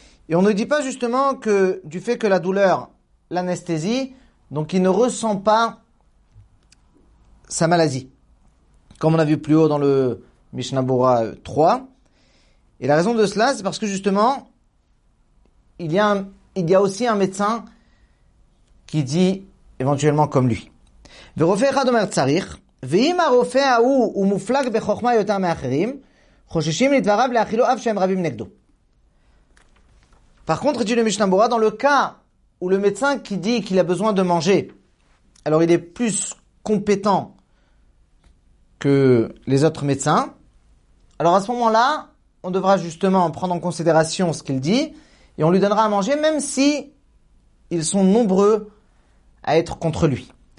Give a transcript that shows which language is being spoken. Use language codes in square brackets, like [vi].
[fr] Et on ne dit pas justement que du fait que la douleur, l'anesthésie, donc il ne ressent pas sa maladie, comme on a vu plus haut dans le Mishnah Berurah 3. Et la raison de cela, c'est parce que justement, il y a aussi un médecin qui dit éventuellement comme lui. [he] ורופא אחד אומר צריך, ואם הרופא ההוא הוא מופלג בחוכמה יותר מאחרים, חוששים לדבריו להאכילו אף שהם רבים נגדו. [fr] Par contre, dit le Mishnah Berurah, dans le cas où le médecin qui dit qu'il a besoin de manger, alors il est plus compétent que les autres médecins. Alors à ce moment-là, on devra justement prendre en considération ce qu'il dit et on lui donnera à manger même si ils sont nombreux à être contre lui.